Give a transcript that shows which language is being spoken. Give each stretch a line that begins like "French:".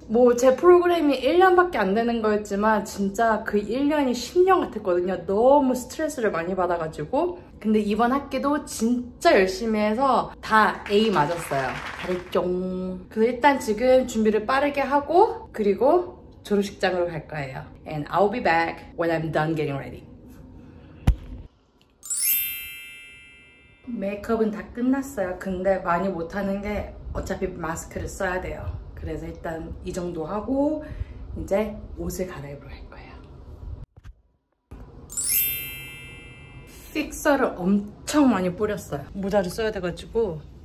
Korean: 뭐 제 프로그램이 1년밖에 안 되는 거였지만 진짜 그 1년이 10년 같았거든요. 너무 스트레스를 많이 받아가지고. 근데 이번 학기도 진짜 열심히 해서 다 A 맞았어요. 다리쩡. 그래서 일단 지금 준비를 빠르게 하고 그리고 졸업식장으로 갈 거예요.
English: And I'll be back when I'm done getting ready.
Korean: 메이크업은 다 끝났어요. 근데 많이 못하는 게 어차피 마스크를 써야 돼요. 그래서 일단 이 정도 하고 이제 옷을 갈아입으러 할 거예요. 픽서를 엄청 많이 뿌렸어요. 모자를 써야 돼가지고.